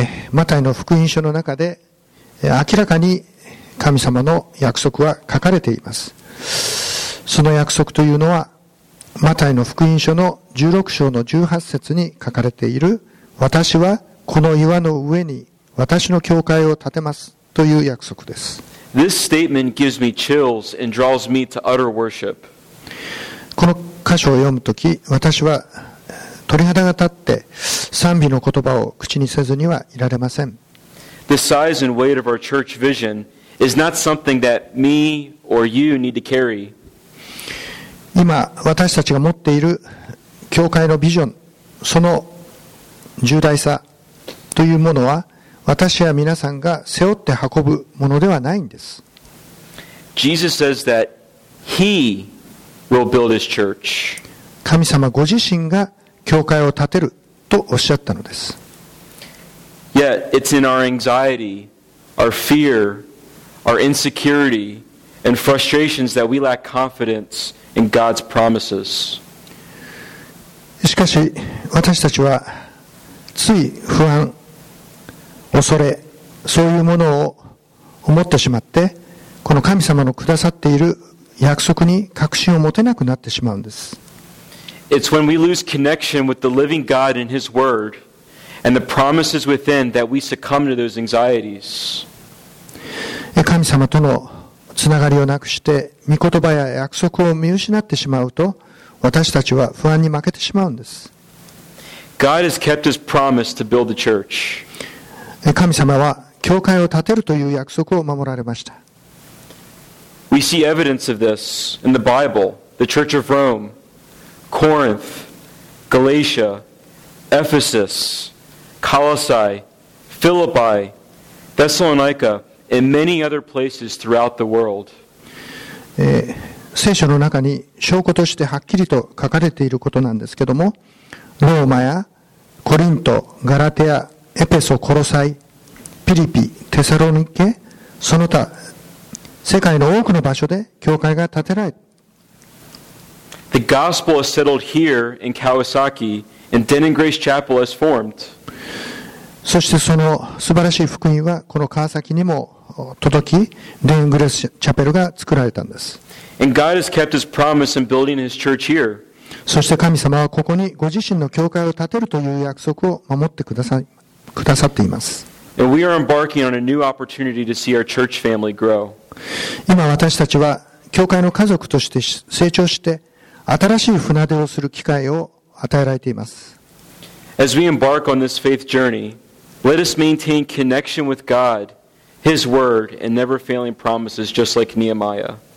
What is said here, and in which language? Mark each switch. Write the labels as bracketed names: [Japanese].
[Japanese] マタイの福音書の中で明らかに神様の約束は書かれています。その約束というのはマタイの福音書の16章の18節に書かれている私はこの岩の上に私の教会を建てますという約束です。 [English] This statement gives me chills and draws me to utter worship. [Japanese] この箇所を読むとき私は鳥肌が立って賛美の言葉を口にせずにはいられません。 [English] The size and weight of our church vision is not something that me or you need to carry. [Japanese] 今私たちが持っている教会のビジョン、その重大さというものは私や皆さんが背負って運ぶものではないんです。 [English] Jesus says that he will build his church. [Japanese] 神様ご自身が教会を建てるとおっしゃったのです。 [English] Yet it's in our anxiety, our fear, our insecurity, and frustrations that we lack confidence. In God's promises. [Japanese] しかし私たちはつい不安、恐れ、そういうものを思ってしまって、この神様のくださっている約束に確信を持てなくなってしまうんです。 [English] It's when we lose connection with the living God and His Word and the promises within that we succumb to those anxieties. [Japanese] 神様とのつながりをなくして御言葉や約束を見失ってしまうと私たちは不安に負けてしまうんです。 [English] God has kept his promise to build the church. [Japanese] 神様は教会を建てるという約束を守られました。 [English] We see evidence of this in the Bible. The church of Rome, Corinth, Galatia, Ephesus, Colossae, Philippi, Thessalonica, and many other places throughout the world. [Japanese] 聖書の中に証拠としてはっきりと書かれていることなんですけども、ローマやコリント、ガラテア、エペソ、コロサイ、ピリピ、テサロニケ、その他世界の多くの場所で教会が建てられた。 [English] The gospel is settled here in Kawasaki, and Den and Grace Chapel has formed. [Japanese] そしてその素晴らしい福音はこの川崎にも届き、デイングレスチャペルが作られたんです。 [English] And God has kept his promise in building his church here. [Japanese] そして神様はここにご自身の教会を建てるという約束を守ってくださっています。 [English] And we are embarking on a new opportunity to see our church family grow. [Japanese] 今私たちは教会の家族として成長して新しい船出をする機会を与えられています。 [English] As we embark on this faith journey, let us maintain connection with God, His Word, and never-failing promises, just like Nehemiah.